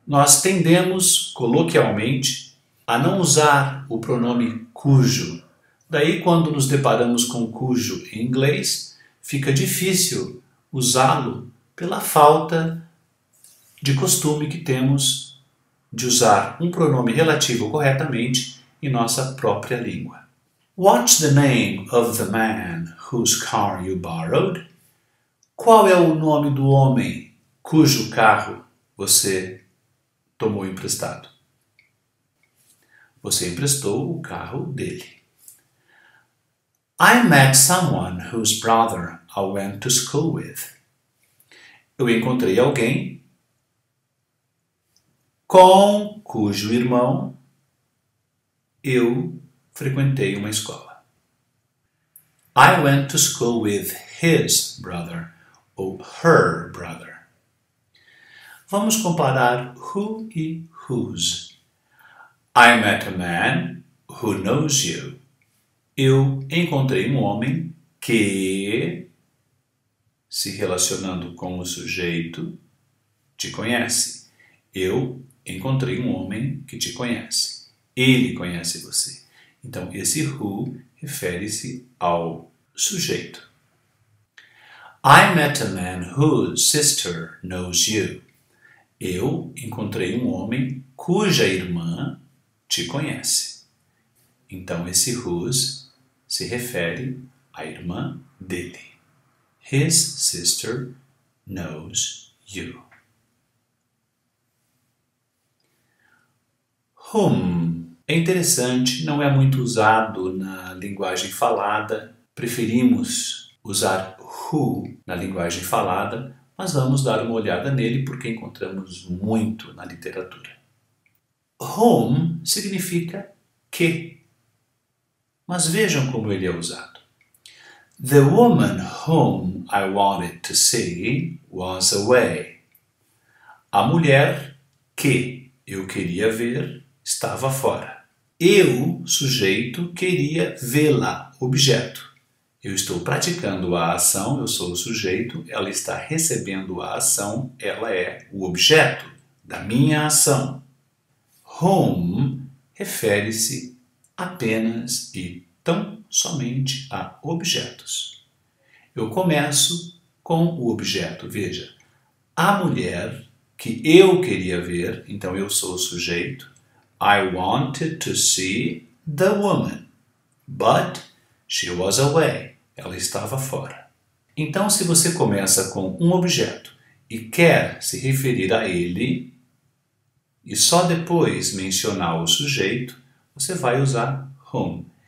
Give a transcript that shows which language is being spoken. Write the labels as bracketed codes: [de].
[pt] Nós tendemos, coloquialmente, a não usar o pronome cujo. Daí, quando nos deparamos com cujo em inglês, fica difícil usá-lo pela falta de costume que temos de usar um pronome relativo corretamente em nossa própria língua. [en] What's the name of the man whose car you borrowed? [pt] Qual é o nome do homem cujo carro você tomou emprestado? Você emprestou o carro dele. [en] I met someone whose brother I went to school with. [pt] Eu encontrei alguém com cujo irmão eu frequentei uma escola. [en] I went to school with his brother or her brother. [pt] Vamos comparar who e whose. [en] I met a man who knows you. [pt] Eu encontrei um homem que, se relacionando com o sujeito, te conhece. Eu encontrei um homem que te conhece. Ele conhece você. Então, esse who refere-se ao sujeito. [en] I met a man whose sister knows you. [pt] Eu encontrei um homem cuja irmã te conhece. Então, esse whose se refere à irmã dele. [en] His sister knows you. [pt] Whom. É interessante, não é muito usado na linguagem falada. Preferimos usar who na linguagem falada, mas vamos dar uma olhada nele porque encontramos muito na literatura. Whom significa que. Mas vejam como ele é usado. [en] The woman whom I wanted to see was away. [pt] A mulher que eu queria ver estava fora. Eu, sujeito, queria vê-la, objeto. Eu estou praticando a ação, eu sou o sujeito, ela está recebendo a ação, ela é o objeto da minha ação. Whom refere-se apenas e tão somente a objetos. Eu começo com o objeto. Veja, a mulher que eu queria ver, então eu sou o sujeito. [en] I wanted to see the woman, but she was away. [pt] Ela estava fora. Então, se você começa com um objeto e quer se referir a ele, e só depois mencionar o sujeito, você vai usar whom.